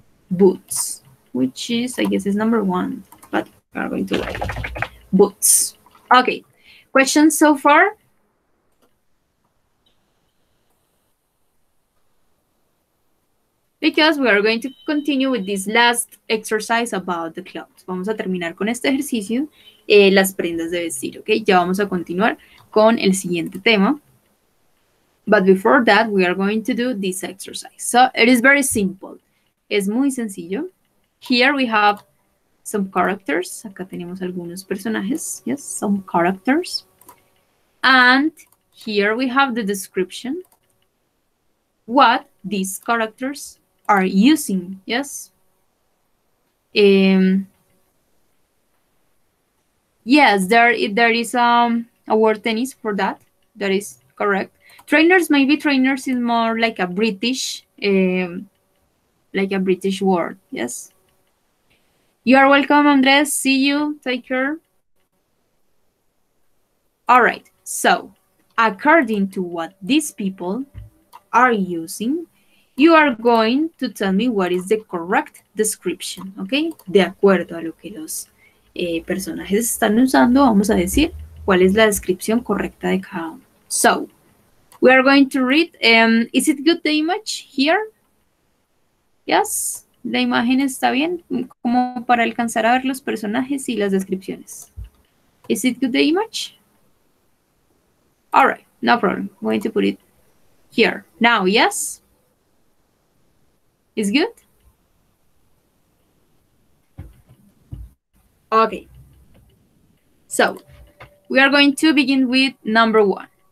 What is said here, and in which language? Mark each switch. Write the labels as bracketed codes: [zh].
[en] Boots, which is, I guess, is number 1, but we are going to write it. Boots. Okay, questions so far? Because we are going to continue with this last exercise about the clothes. [es] Vamos a terminar con este ejercicio, las prendas de vestir, okay? Ya vamos a continuar con el siguiente tema. [en] But before that, we are going to do this exercise. So it is very simple. [es] Es muy sencillo. [en] Here we have some characters. [es] Acá tenemos algunos personajes. [en] Yes, some characters. And here we have the description. What these characters are using. Yes. Yes, there is a word tennis for that. That is correct. Trainers, maybe trainers is more like a British word, yes? You are welcome, Andres. See you. Take care. All right. So, according to what these people are using, you are going to tell me what is the correct description, okay? [es] De acuerdo a lo que los personajes están usando, vamos a decir cuál es la descripción correcta de cada uno. [en] So, we are going to read, is it good the image here? [es] Yes, la imagen está bien, como para alcanzar a ver los personajes y las descripciones. [en] Is it good the image? All right, no problem, I'm going to put it here. Now, yes? Is good? Okay. So, we are going to begin with number one.